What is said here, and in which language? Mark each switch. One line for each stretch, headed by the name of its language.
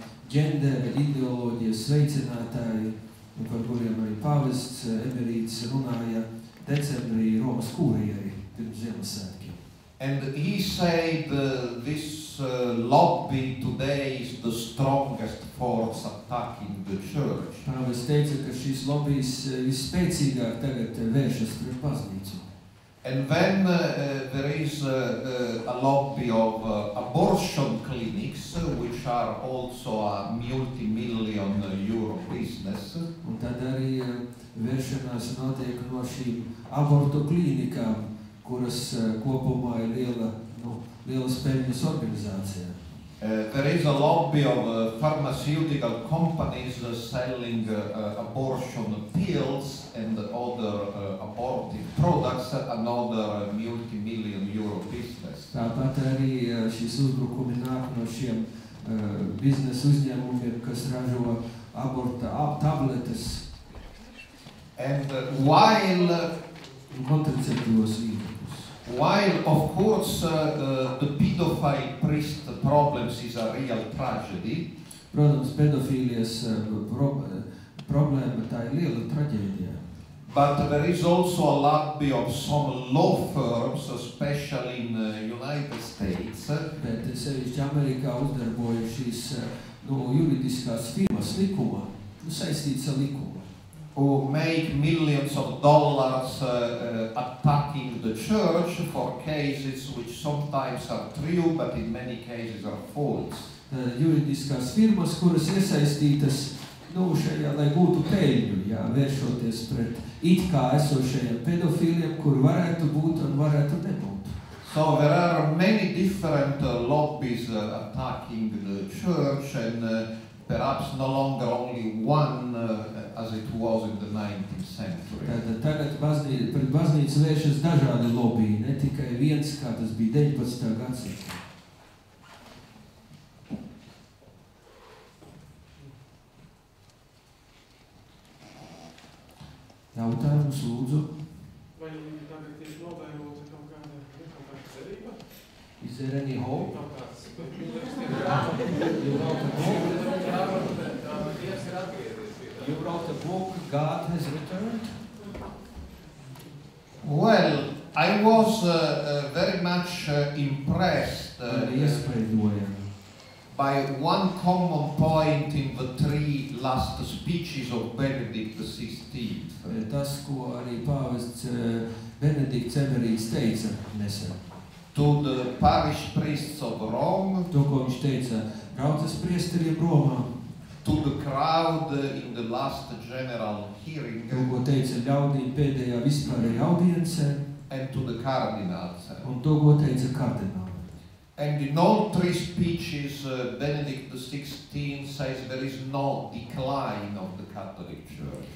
Latvian: Gender ideoloģijas sveicinātāji, par kuriem arī pavests Emerīts runāja decembrī Romas kūrijai pirms Ziemassvētkiem.
English: And he said this lobby today is the strongest force attacking the church.
Latvian: Pāvests teica, ka šis lobijs visspēcīgāk tagad vēršas pret baznīcu.
English: And then there is a lobby of abortion clinics, which are also a multi-million euro business.
Latvian: Un tad arī vēršanās notiek no šīm abortu klinikām, kuras kopumā ir liela, nu, lielas peļņas organizācija.
English: There is a lobby of pharmaceutical companies selling abortion pills and other abortive products, another multi-million euro business.
Latvian: Tāpat arī šis uzbrukumi nāk no šiem biznesa uzņēmumiem, kas ražo aborta tabletes.
English: And while
Latvian: kontraceptīvos
English: While, of course, the pedophile priest problems is a real tragedy.
Latvian: Protams, pedofilijas problēma, tā ir liela traģēdija.
English: But there is also a lobby of some law firms, especially in the United States.
Latvian: Bet sevišķi Amerikā uzdarbojušīs no juridiskās firmas likuma, saistīts ar likumu.
English: Who make millions of dollars attacking the church for cases which sometimes are true, but in many cases are false.
Latvian: Juridiskās firmas, kuras iesaistītas, nu, šajā, lai būtu peļņu, jā, vēršoties pret it kā esošajiem pedofiliem, kur varētu būt un varētu nebūt.
English: So there are many different lobbies attacking the church and perhaps no longer only one as it was in the 19th century.
Latvian: Tagad pret baznīcu vēršas dažādi lobby, ne tikai viens, kā tas bija 19. Gadsimtā. Jautājums, lūdzu. Vai tagad ir novēroti kaut kāda cerība?
English: Is there any hope? You wrote a book, God has returned? Well, I was very much impressed by one common point in the three last speeches of Benedict XVI.
Latvian: Tas, ko arī pāvests Benedikts Emerīts teica nesen.
English: To the parish priests of Rome,
Latvian: to, ko viņš teica, draudzes priesteriem Romā,
English: to the crowd in the last general hearing,
Latvian: to, ko teica ļaudīm pēdējā vispārējā audience,
English: and to the cardinals,
Latvian: un to, ko teica kardināli.
English: And in all three speeches, Benedict XVI says there is no decline of the Catholic Church.